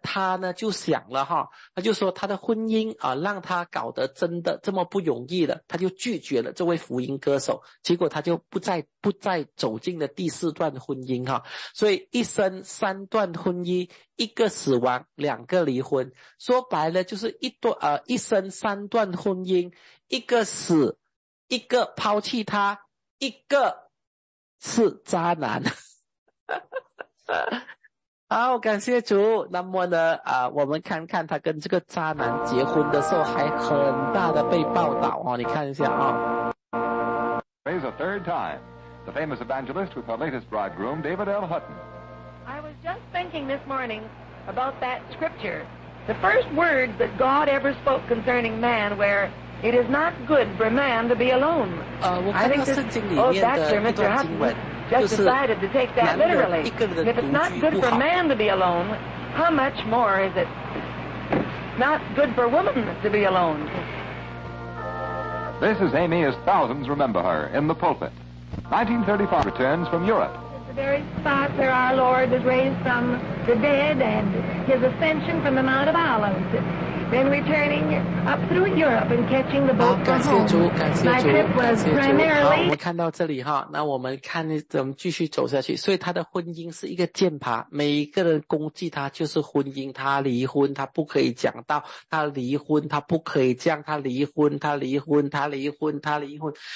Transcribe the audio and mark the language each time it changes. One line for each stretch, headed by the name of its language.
Chinese: 他呢就想了哈，他就说他的婚姻啊，让他搞得真的这么不容易了，他就拒绝了这位福音歌手，结果他就不再走进了第四段婚姻哈，所以一生三段婚姻，一个死亡，两个离婚，说白了就是一生三段婚姻，一个死，一个抛弃他，一个是渣男。好，感谢主。那么呢，我们看看他跟这个渣男结婚的时候，还很大的被报道哦。你看一下啊。
English: Here's a third time, the famous evangelist with her latest bridegroom, David L. Hutton. I was just thinking this morning about that scripture. The first words that God ever spoke concerning man were, "It is not good for man to be alone."
Chinese: 我看到圣经里面的一段经文。
English: Just decided to take that literally. If it's not good for man to be alone, how much more is it not good for woman to be alone? This is Amy as thousands remember her in the pulpit. 1935 returns from Europe. It's the very spot where our Lord was raised from the dead and his ascension from the Mount of Olives. Then returning up through Europe and catching the boat for home.
Chinese: 感谢主，感谢主。
English: My trip was primarily.
Chinese: 好，我们看到这里哈，那我们看怎么继续走下去。所以他的婚姻是一个箭靶，每一个人攻击他就是婚姻。他离婚，他不可以讲到；他离婚，他不可以这样；他离婚，他离婚，他离婚，他离婚。